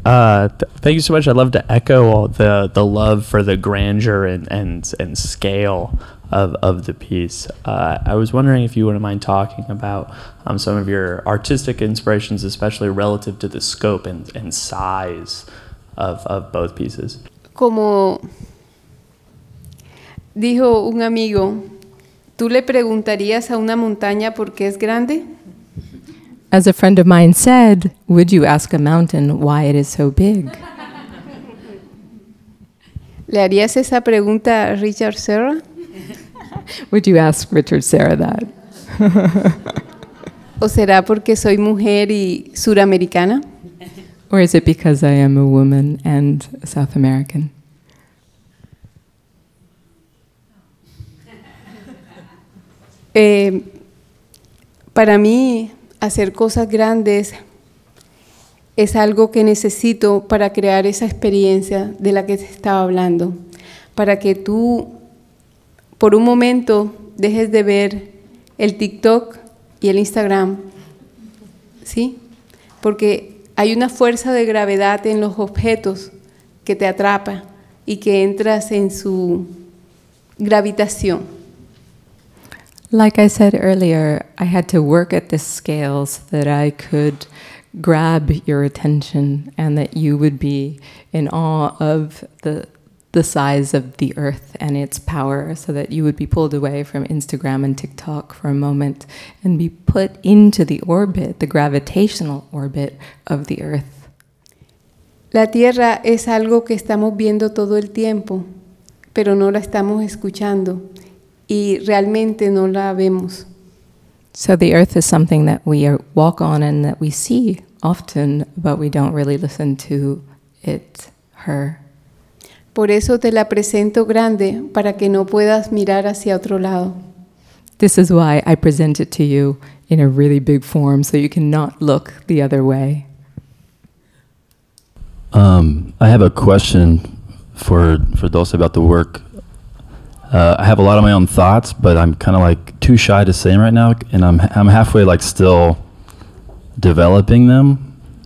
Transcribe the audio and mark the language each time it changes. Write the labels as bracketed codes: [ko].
[en] Thank you so much. I'd love to echo all the love for the grandeur and scale of the piece. I was wondering if you wouldn't mind talking about some of your artistic inspirations, especially relative to the scope and size of both pieces. [es] Como dijo un amigo, ¿tú le preguntarías a una montaña por qué es grande? [en] As a friend of mine said, would you ask a mountain why it is so big? [es] ¿Le harías esa pregunta a Richard Serra? [en] Would you ask Richard Serra that? [es] ¿O será porque soy mujer y suramericana? [en] Or is it because I am a woman and South American? [es] Para mí, hacer cosas grandes es algo que necesito para crear esa experiencia de la que te estaba hablando. Para que tú, por un momento, dejes de ver el TikTok y el Instagram, ¿sí? Porque hay una fuerza de gravedad en los objetos que te atrapa y que entras en su gravitación. [en] Like I said earlier, I had to work at this scale so that I could grab your attention and that you would be in awe of the size of the earth and its power, so that you would be pulled away from Instagram and TikTok for a moment and be put into the orbit, the gravitational orbit of the earth. [es] La tierra es algo que estamos viendo todo el tiempo, pero no la estamos escuchando. Y realmente no la vemos. [en] So the earth is something that we walk on and that we see often, but we don't really listen to it, her. [es] Por eso te la presento grande, para que no puedas mirar hacia otro lado. [en] This is why I present it to you in a really big form, so you cannot look the other way. I have a question for Dulce about the work. I have a lot of my own thoughts, but I'm kind of like too shy to say them right now, and I'm halfway like still developing them.